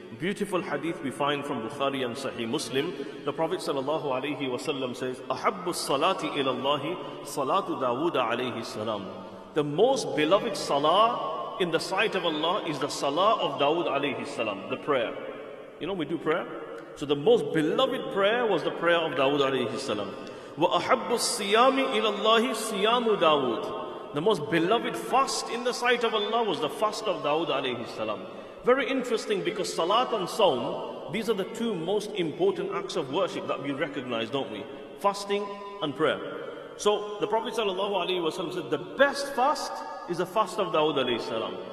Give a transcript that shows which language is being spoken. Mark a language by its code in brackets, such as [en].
[en] Beautiful hadith we find from Bukhari and Sahih Muslim. The Prophet sallallahu alayhi wa sallam says, [ar] أحب الصلاة إلى الله صلاة داود عليه السلام. [en] The most beloved salah in the sight of Allah is the salah of Dawud alayhi salam, the prayer. You know we do prayer? So the most beloved prayer was the prayer of Dawud alayhi salam. [ar] وأحب الصيام إلى الله صيام داود. [en] The most beloved fast in the sight of Allah was the fast of Dawud alayhi salam. Very interesting, because Salat and Sawm, these are the two most important acts of worship that we recognize, don't we? Fasting and prayer. So the Prophet sallallahu alayhi wa sallam said, the best fast is the fast of Dawud alayhi salam.